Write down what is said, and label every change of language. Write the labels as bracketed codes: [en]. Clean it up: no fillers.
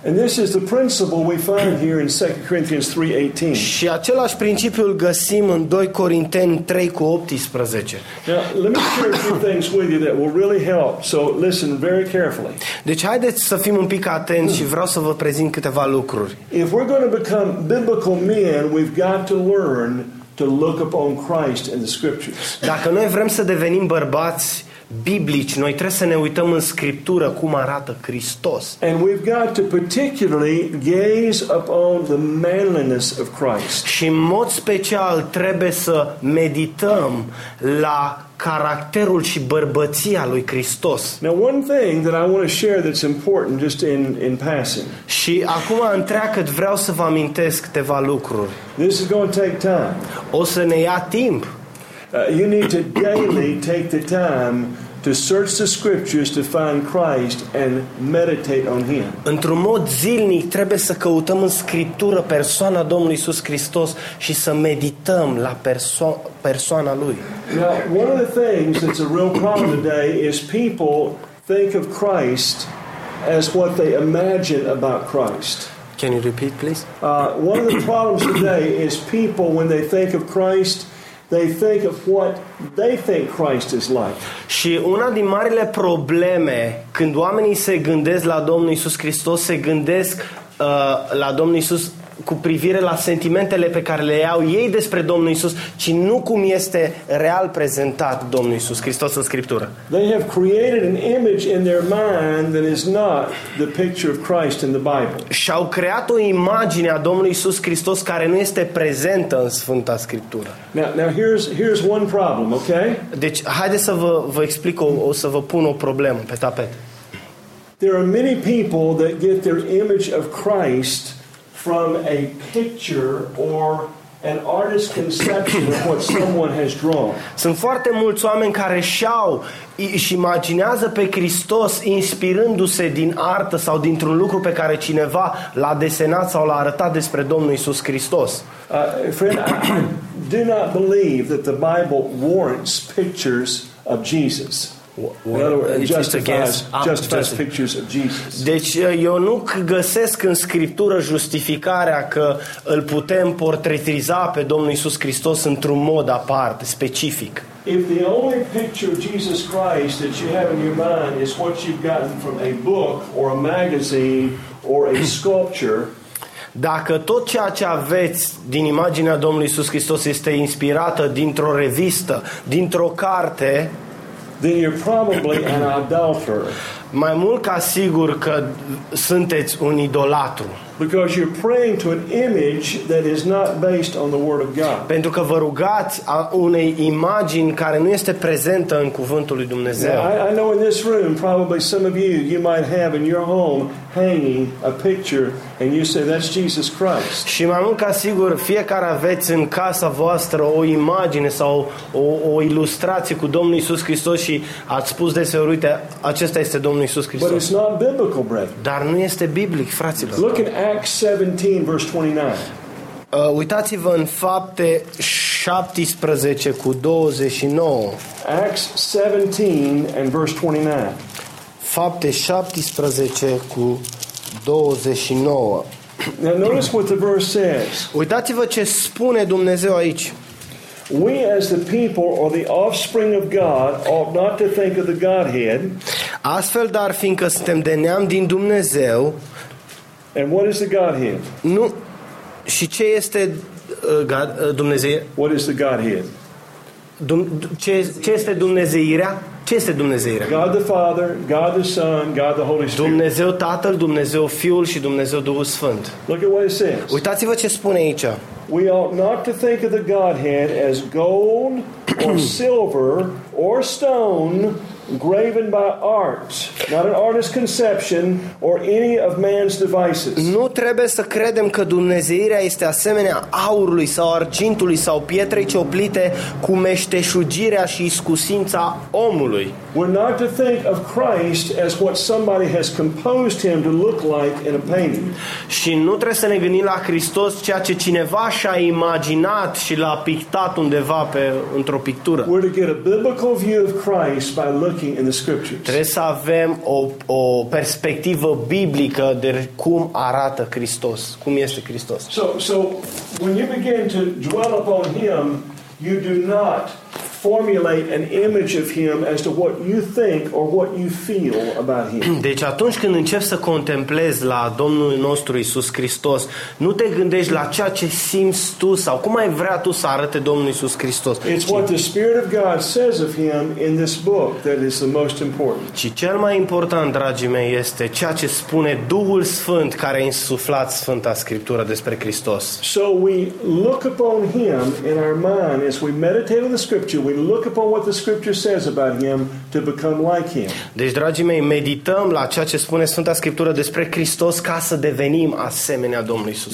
[en] And this is the principle we find here in 2 Corinthians 3:18. [ro] Și același principiu îl găsim în 2 Corinteni 3:18. [en] Now, let me share a few things with you that will really help. So listen very carefully. [ro] Deci haideți să fim un pic atenți și vreau să vă prezint câteva lucruri. [en] If we're going to become biblical men, we've got to learn to look upon Christ in the scriptures. [ro] Dacă noi vrem să devenim bărbați biblici, noi trebuie să ne uităm în scriptură cum arată Hristos. [en] And we've got to particularly gaze upon the manliness of Christ. [ro] Și în mod special trebuie să medităm la caracterul și bărbăția lui Hristos. [en] Now one thing that I want to share that's important just in passing. [ro] Și acum întreagăt vreau să vă amintesc câteva lucruri. [en] This is going to take time. [ro] O să ne ia timp. [en] You need to daily take the time to search the scriptures to find Christ and meditate on him. [ro] Într-un mod zilnic trebuie să căutăm în scriptură persoana Domnului Iisus Hristos și să medităm la persoana lui. [en] Now, one of the things that's a real problem today is people think of Christ as what they imagine about Christ. Can you repeat, please? One of the problems today is people, when they think of Christ, they think of what they think Christ is like. [ro] Și una din marile probleme când oamenii se gândesc la Domnul Iisus Hristos, se gândesc la Domnul Iisus cu privire la sentimentele pe care le au ei despre Domnul Iisus, ci nu cum este real prezentat Domnul Iisus Hristos în Scriptură. [en] They have created an image in their mind that is not the picture of Christ in the Bible. [ro] Și-au creat o imagine a Domnului Iisus Hristos care nu este prezentă în Sfânta Scriptură. [en] Now here's one problem, okay? [ro] Deci, haideți să vă explic o să vă pun o problemă pe tapet. [en] There are many people that get their image of Christ from a picture or an artist's conception of what someone has drawn. [ro] Sunt foarte mulți oameni care își imaginează pe Hristos inspirându-se din artă sau dintr-un lucru pe care cineva l-a desenat sau l-a arătat despre Domnul Iisus Hristos. [en] Friend, I do not believe that the Bible warrants pictures of Jesus. Justifies pictures of Jesus. [ro] Deci eu nu găsesc în Scriptură justificarea că îl putem portretiza pe Domnul Iisus Hristos într-un mod apart, specific. [en] If the only picture of Jesus Christ that you have in your mind is what you've gotten from a book or a magazine or a sculpture. [ro] Dacă tot ceea ce aveți din imaginea Domnului Iisus Hristos este inspirată dintr-o revistă, dintr-o carte, [en] then you're probably an adulterer. [ro] Mai mult ca sigur că sunteți un idolatru. [en] Because you're praying to an image that is not based on the word of God. [ro] Pentru că vă rugați a unei imagini care nu este prezentă în cuvântul lui Dumnezeu. [en] I know in this room probably some of you you might have in your home hanging a picture and you say that's Jesus Christ. [ro] Și mai mult ca sigur fiecare aveți în casa voastră o imagine sau o ilustrație cu Domnul Iisus Hristos și ați spus deseori, uite, acesta este Domnul Iisus Hristos. [en] But it's not biblical, brethren. [ro] Dar nu este biblic, fraților. [en] Look at Acts 17 verse 29. [ro] Uitați-vă în Fapte 17 cu 29. [en] Acts 17 and verse 29. [ro] Fapte 17 cu 29. [en] Now notice what the verse says. [ro] Uitați-vă ce spune Dumnezeu aici. [en] We as the people or the offspring of God ought not to think of the Godhead. [ro] Astfel dar fiindcă suntem de neam din Dumnezeu. [en] And what is the Godhead? [ro] Nu. Și ce este Dumnezeu? [en] What is the Godhead? [ro] Ce este Dumnezeirea? Ce este Dumnezeirea? [en] God the Father, God the Son, God the Holy Spirit. [ro] Dumnezeu Tatăl, Dumnezeu Fiul și Dumnezeu Duhul Sfânt. [en] Look at what it says. [ro] Uitați-vă ce spune aici. [en] We ought not to think of the Godhead as gold or silver or stone. Graven by art, not an artist's conception or any of man's devices. [ro] Nu trebuie să credem că Dumnezeirea este asemenea aurului sau argintului sau pietrei cioplite cu meșteșugirea și iscusința omului. [en] We're not to think of Christ as what somebody has composed him to look like in a painting. [ro] Și nu trebuie să ne gândim la Hristos ceea ce cineva și-a imaginat și l-a pictat undeva pe într-o pictură. [en] We're to get a biblical view of Christ by looking in the scriptures. [ro] Trebuie să avem o perspectivă biblică de cum arată Hristos, cum este Hristos. [en] So when you begin to dwell upon him, you do not formulate an image of him as to what you think or what you feel about him. [ro] Deci atunci când începi să contemplezi la Domnul nostru Iisus Hristos, nu te gândești la ceea ce simți tu sau cum ai vrea tu să arate Domnul Iisus Hristos. [en] It's what the Spirit of God says of him in this book that is the most important. [ro] Și cel mai important, dragii mei, este ceea ce spune Duhul Sfânt care a insuflat Sfânta Scriptură despre Hristos. [en] So we look upon him in our mind as we meditate on the scripture. We look upon what the scripture says about him to become like him. [ro] Deci, dragii mei, medităm la ceea ce spune Sfânta Scriptură despre Hristos ca să devenim asemenea Domnului Iisus.